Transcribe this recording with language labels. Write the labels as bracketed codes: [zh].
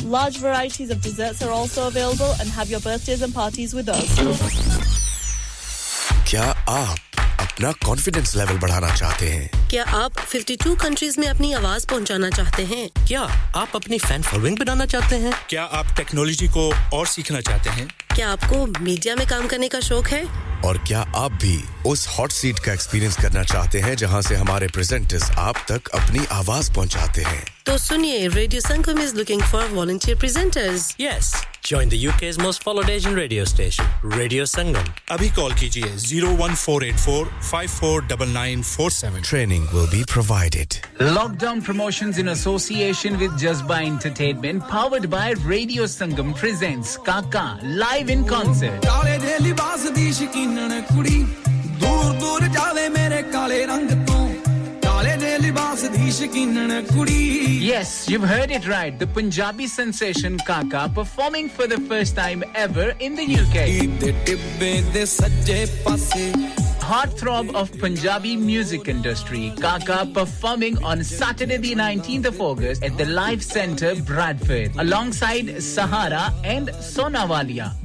[en] Large varieties of desserts are also available, and have your birthdays and parties with us. [hi] Kya aap अपना confidence level बढ़ाना चाहते हैं? क्या आप 52 countries में अपनी आवाज पहुंचाना चाहते हैं? क्या आप अपनी फैन फॉलोइंग बनाना चाहते हैं? क्या आप टेक्नोलॉजी को और सीखना चाहते हैं? क्या आपको मीडिया में काम करने का शौक है? और क्या आप भी उस हॉट सीट का एक्सपीरियंस करना चाहते हैं, जहां से हमारे प्रेजेंटर्स आप तक अपनी आवाज पहुंचाते हैं? तो सुनिए, [en] Radio Sangam is looking for volunteer presenters. Yes, join the UK's most followed Asian radio station, radio Sangam. [hi] अभी कॉल कीजिए 01484-549947. [en] Training will be provided. Lockdown promotions in association with Jazba entertainment, powered by radio Sangam, presents Kaka live in concert. [pa] काले दे लिबास दी शकीनन कुड़ी, दूर दूर जावे मेरे काले रंग तो। [en] Yes, you've heard it right. The Punjabi sensation Kaka performing for the first time ever in the UK. Heartthrob of Punjabi music industry, Kaka performing on Saturday the 19th of August at the Life Centre, Bradford, alongside Sahara and Sonawalia.